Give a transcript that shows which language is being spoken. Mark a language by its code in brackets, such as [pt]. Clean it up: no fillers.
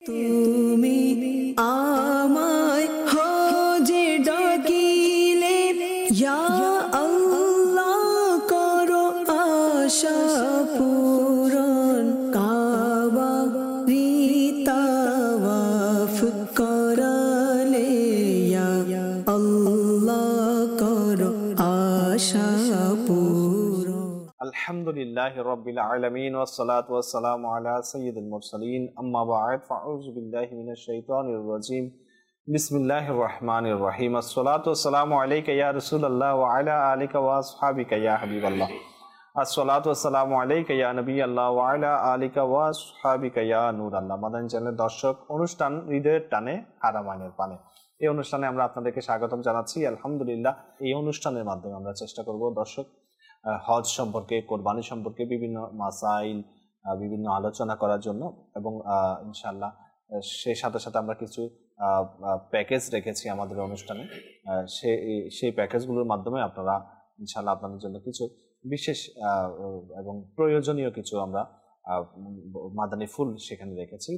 [bn] তুমি আমায় হো যে ডাকিলে ইয়া আল্লাহ করো আশা পূরণ কাবা রিতাওয়াফ করালে ইয়া আল্লাহ করো আশা পূরণ [ar] الحمد لله رب العالمين والصلاة والسلام على سيد المرسلين أما بعد فأعوذ بالله من الشيطان الرجيم بسم الله الرحمن الرحيم والصلاة والسلام عليك يا رسول الله وعلى آلك وأصحابك يا حبيب الله والصلاة والسلام عليك يا نبي الله وعلى آلك وأصحابك يا نور الله مدن جنة درشق انشتان ردر تاني حرامان ارپانه [bn] এই অনুষ্ঠানে আমরা আপনাদেরকে স্বাগতম জানাচ্ছি। আলহামদুলিল্লাহ, এই অনুষ্ঠানের মাধ্যমে আমরা চেষ্টা করব দর্শক হজ সম্পর্কে, কোরবানি সম্পর্কে বিভিন্ন মাসাইল বিভিন্ন আলোচনা করার জন্য, এবং ইনশাআল্লাহ সেই সাথে সাথে আমরা কিছু প্যাকেজ রেখেছি আমাদের অনুষ্ঠানে, সেই প্যাকেজগুলোর মাধ্যমে আপনারা ইনশাআল্লাহ আপনাদের জন্য কিছু বিশেষ এবং প্রয়োজনীয় কিছু আমরা মাদানী ফুল সেখানে রেখেছি।